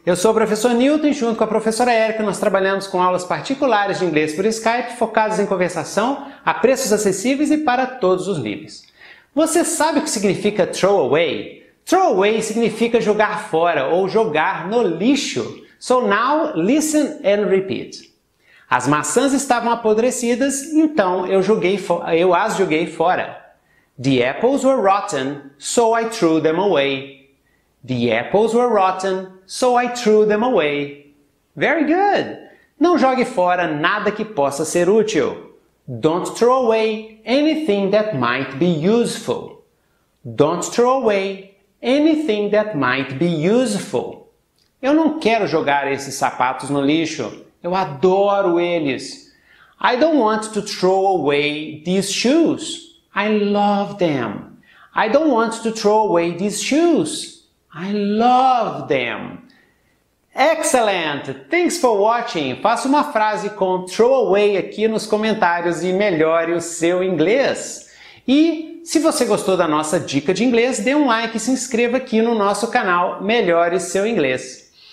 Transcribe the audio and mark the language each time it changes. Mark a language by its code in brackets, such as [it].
[pt] Eu sou o professor Newton e junto com a professora Erica nós trabalhamos com aulas particulares de inglês por Skype focadas em conversação a preços acessíveis e para todos os níveis. Você sabe o que significa throw away? Throw away significa jogar fora ou jogar no lixo. [en] So now listen and repeat. [pt] As maçãs estavam apodrecidas, então eu as joguei fora. [en] The apples were rotten, so I threw them away. The apples were rotten, so I threw them away. Very good! [pt] Não jogue fora nada que possa ser útil. [en] Don't throw away anything that might be useful. Don't throw away anything that might be useful. [pt] Eu não quero jogar esses sapatos no lixo. Eu adoro eles. [en] I don't want to throw away these shoes. I love them. I don't want to throw away these shoes. I love them. Excellent! Thanks for watching. [pt] Faça uma frase com throw away aqui nos comentários e melhore o seu inglês. E se você gostou da nossa dica de inglês, dê um like e se inscreva aqui no nosso canal Melhore Seu Inglês.